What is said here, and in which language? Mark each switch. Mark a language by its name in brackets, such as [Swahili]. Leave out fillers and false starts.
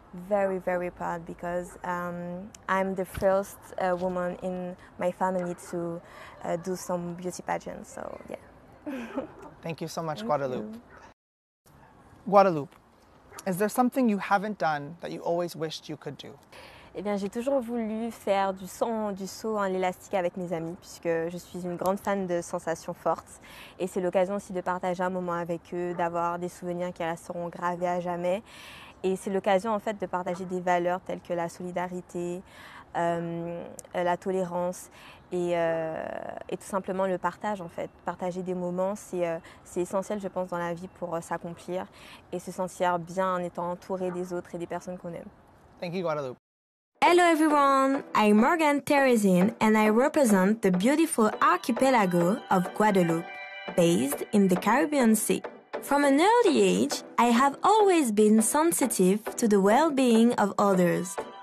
[English] Very, very proud, because I'm the first woman in my family to do some beauty pageants, so yeah. Thank you so much. Thank Guadeloupe. You. Guadeloupe, is there something you haven't done that you always wished you could do? [French] Eh bien, j'ai toujours voulu faire du saut en élastique avec mes amis, puisque je suis une grande fan de sensations fortes. Et c'est l'occasion aussi de partager un moment avec eux, d'avoir des souvenirs qui resteront gravés à jamais. Et c'est l'occasion en fait de partager des valeurs telles que la solidarité, la tolérance et tout simplement le partage en fait. Partager des moments, c'est essentiel je pense dans la vie pour s'accomplir et se sentir bien en étant entouré des autres et des personnes qu'on aime. [English] Thank you, Guadeloupe. Hello everyone, I'm Morgane, Thérésine, and I represent the beautiful archipelago of Guadeloupe, based in the Caribbean Sea. From an early age, I have always been sensitive to the well-being of others.